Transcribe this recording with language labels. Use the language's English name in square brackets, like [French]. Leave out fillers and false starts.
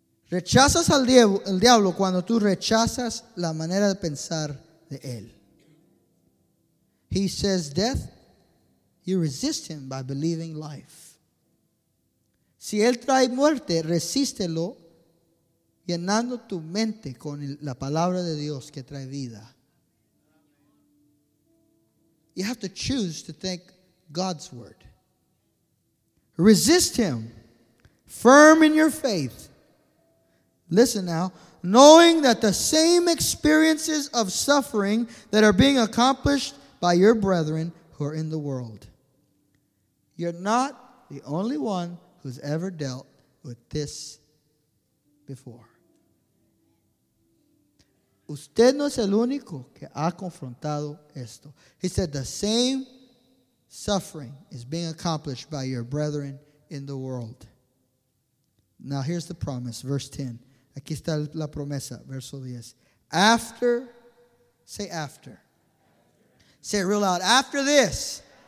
[Spanish] Rechazas al diablo cuando tú rechazas la manera de pensar de él. [English] He says death, you resist him by believing life. [Spanish] Si él trae muerte, resístelo llenando tu mente con la palabra de Dios que trae vida. [English] You have to choose to think God's word. Resist him, firm in your faith. Listen now, knowing that the same experiences of suffering that are being accomplished by your brethren who are in the world. You're not the only one who's ever dealt with this before. [Spanish] Usted no es el único que ha confrontado esto. [English] He said the same suffering is being accomplished by your brethren in the world. Now here's the promise, verse 10. [Spanish] Aquí está la promesa, verso 10. [English] After, say after. Say it real loud, after this.